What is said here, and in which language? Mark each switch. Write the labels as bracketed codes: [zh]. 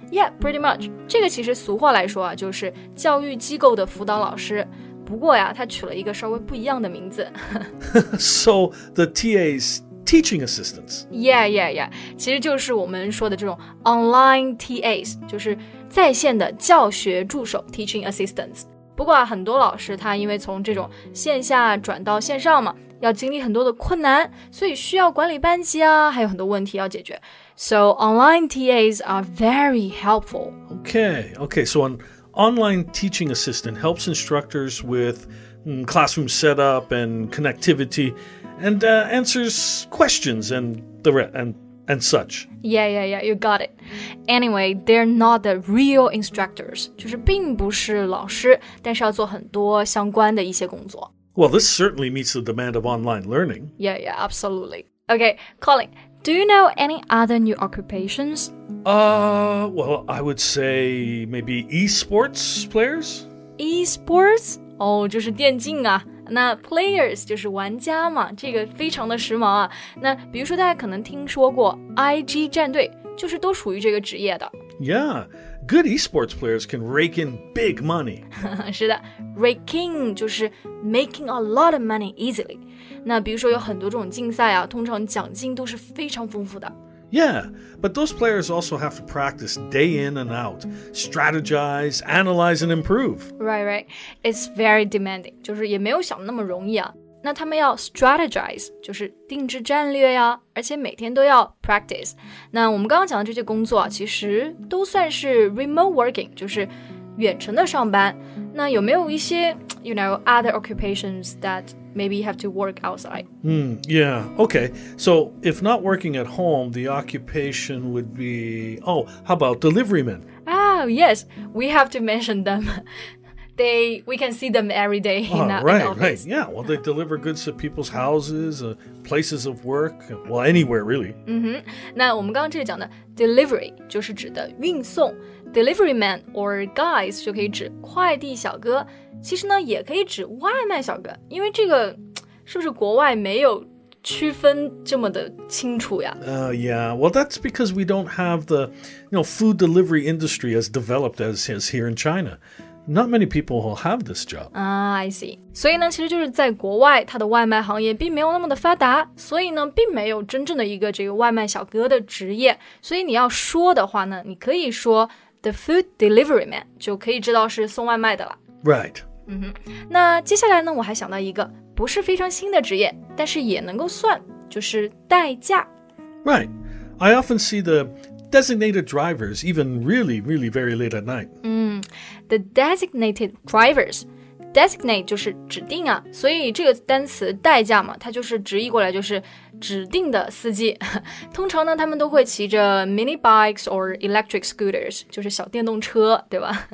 [en] Yeah, pretty much. [zh] 这个其实俗话来说啊，就是教育机构的辅导老师。不过呀，他取了一个稍微不一样的名字。 [en] So the TAs teaching assistants. Yeah, yeah, yeah. [zh] 其实就是我们说的这种 online TAs, 就是在线的教学助手 teaching assistants。不过啊，很多老师他因为从这种线下转到线上嘛，要经历很多的困难，所以需要管理班级啊，还有很多问题要解决。 [en] So online TAs are very helpful. Okay, okay. So an online teaching assistant helps instructors with classroom setup and connectivity, and answers questions and the and such. Yeah, yeah, yeah. You got it. Anyway, they're not the real instructors. [zh] 就是并不是老师，但是要做很多相关的一些工作。 [en] Well, this certainly meets the demand of online learning. Yeah, yeah, absolutely. Okay, Colin, do you know any other new occupations? Well, I would say maybe esports players. [zh] Esports? Oh, 就是电竞啊。那 players 就是玩家嘛，这个非常的时髦啊。那比如说大家可能听说过 IG 战队，就是都属于这个职业的。 [en] Yeah, good esports players can rake in big money. [zh] 是的 [en] ,raking [zh] 就是 [en] making a lot of money easily. [zh] 那比如说有很多这种竞赛啊，通常奖金都是非常丰富的。 [en] Yeah, but those players also have to practice day in and out, strategize, analyze, and improve. Right, right. It's very demanding. [zh] 就是也没有想那么容易啊。那他们要 strategize, 就是定制战略呀，而且每天都要 practice. 那我们刚刚讲的这些工作啊，其实都算是 remote working, 就是远程的上班。那有没有一些, [en] you know, other occupations that... Maybe you have to work outside. Yeah, okay. So if not working at home, the occupation would be... Oh, how about delivery men? Ah, yes. We have to mention them. We can see them every day in our office. Oh, right, right. Yeah, well, they deliver goods to people's houses, places of work. Well, anywhere, really. Mm-hmm. [zh] 那我们刚刚这里讲的 delivery 就是指的运送。 Delivery men or guys 就可以指快递小哥。其实呢也可以指外卖小哥，因为这个是不是国外没有区分这么的清楚呀？ [en] Yeah, well that's because we don't have the, you know, food delivery industry as developed as here in China. Not many people will have this job. I see. [zh] 所以呢其实就是在国外它的外卖行业并没有那么的发达，所以呢并没有真正的一个这个外卖小哥的职业。所以你要说的话呢，你可以说 the food delivery man, 就可以知道是送外卖的了。 [en] Right. [zh] 那接下来呢我还想到一个不是非常新的职业，但是也能够算，就是代驾。 [en] Right. I often see the designated drivers even really, really very late at night. The designated drivers. [zh] Designate 就是指定啊，所以这个单词代驾嘛，它就是直译过来就是指定的司机。通常呢他们都会骑着 [en] mini bikes or electric scooters, [zh] 就是小电动车，对吧？